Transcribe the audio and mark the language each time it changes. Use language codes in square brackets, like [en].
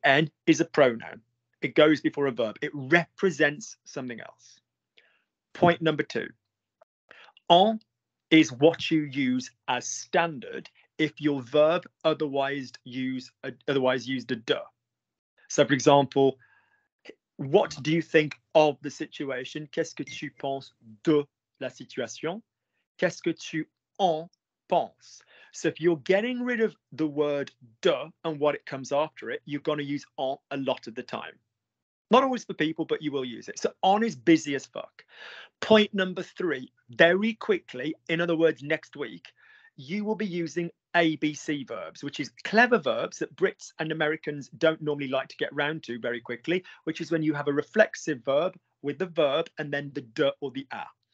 [en] En is a pronoun. It goes before a verb. It represents something else. Point number two. En is what you use as standard if your verb otherwise used a de. So, for example, what do you think of the situation? [fr] Qu'est-ce que tu penses de la situation? Qu'est-ce que tu en penses? [en] So if you're getting rid of the word de and what it comes after it, you're going to use en a lot of the time. Not always for people, but you will use it. So en is busy as fuck. Point number three, very quickly, in other words, next week, you will be using ABC verbs, which is clever verbs that Brits and Americans don't normally like to get round to very quickly, which is when you have a reflexive verb with the verb and then the de or the a.